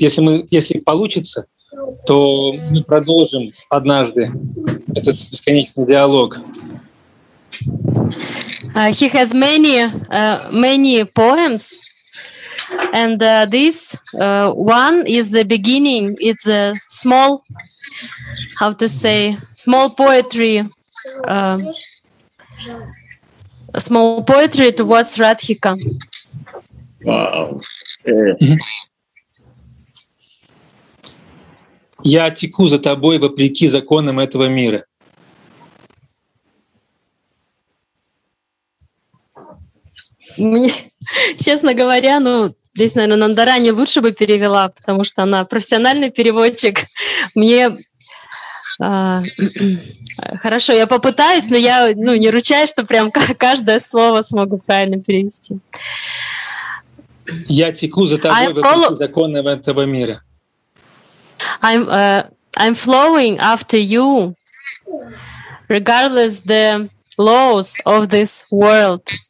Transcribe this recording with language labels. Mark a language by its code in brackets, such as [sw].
[ru] Если получится, то мы продолжим однажды этот бесконечный диалог. [en] He has many many poems, and this one is the beginning. It's a small, how to say, small poetry, small poetry towards Radhika. Wow. [ru] Я теку за тобой вопреки законам этого мира. Мне, честно говоря, ну, здесь, наверное, Нандарани лучше бы перевела, потому что она профессиональный переводчик. Мне хорошо, я попытаюсь, но я не ручаюсь, что прям каждое слово смогу правильно перевести. Я теку за тобой вопреки законам этого мира. [en] I'm flowing after you, regardless the laws of this world.